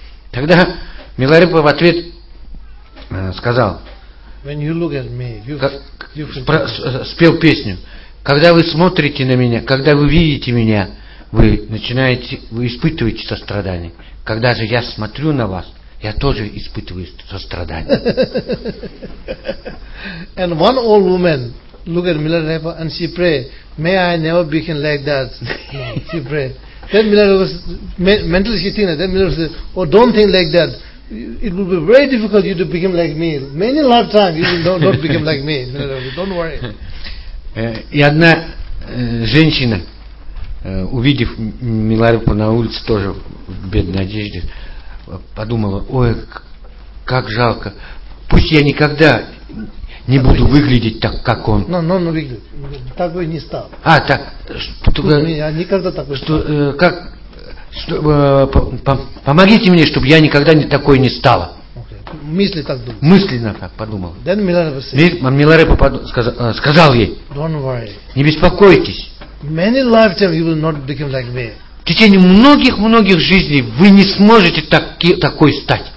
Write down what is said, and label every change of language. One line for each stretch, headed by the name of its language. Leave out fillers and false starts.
Russian: Тогда Миларепа в ответ сказал, спел песню, когда вы смотрите на меня, когда вы видите меня, вы испытываете сострадание. Когда же я смотрю на вас, я тоже испытываю сострадание.
English: And one old woman look at Milarepa and she pray, may I never become like that. She pray. Then Milarepa mentally she think that. Then Milarepa says, oh, don't think like that. It will be very difficult you to become like me. Many lifetime you will not become like me. Milarepa, don't worry.
Russian: И одна женщина, увидев Миларепу на улице тоже в бедной одежде, подумала, ой, как жалко, пусть я никогда не буду выглядеть так, как он. Но выглядит. Такой не стал. А, так. Я никогда такой не стал. Помогите мне, чтобы я никогда такой не стала. Okay. Мысли так думала. Мысленно так подумала.
English: Then Milarepa said,
Russian: Миларепа сказал ей,
English: don't worry.
Russian: Не беспокойтесь.
English: Many lifetimes you will not become like me.
Russian: В течение многих-многих жизней вы не сможете такой стать.